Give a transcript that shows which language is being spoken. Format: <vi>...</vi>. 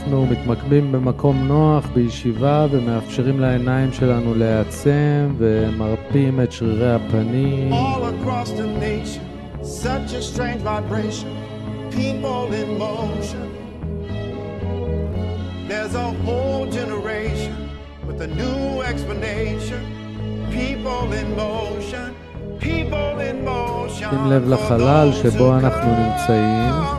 <he>מתמקמים במקום נוח, בישיבה, ומאפשרים לעיניים שלנו לעצם ומרפים את שרירי הפנים.</he> <en>All across the nation, such a strange vibration, people in motion. There's a whole generation with a new explanation. People in motion, people in motion.</en> <he>שים לב לחלל שבו אנחנו נמצאים.</he>